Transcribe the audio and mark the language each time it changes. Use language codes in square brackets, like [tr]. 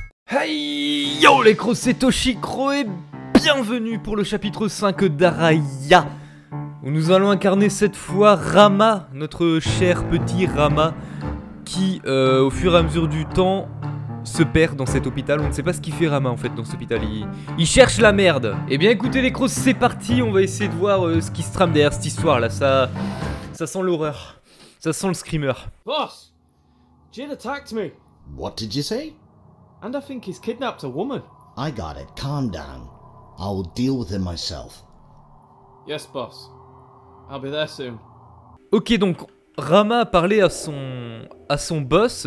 [fr] Hey yo les crocs, c'est Toshikro et bienvenue pour le chapitre 5 d'Araya, où nous allons incarner cette fois Rama, notre cher petit Rama, qui au fur et à mesure du temps se perd dans cet hôpital. On ne sait pas ce qu'il fait Rama en fait dans cet hôpital, il cherche la merde. Eh bien écoutez les crocs, c'est parti, on va essayer de voir ce qui se trame derrière cette histoire là, ça sent l'horreur, ça sent le screamer. [en] Boss, Jin attacked me. What did you say? And I think he's kidnapped a woman. I got it, calm down. I will deal with him myself. Yes, boss. I'll be there soon. [fr] Ok, donc Rama a parlé à son boss.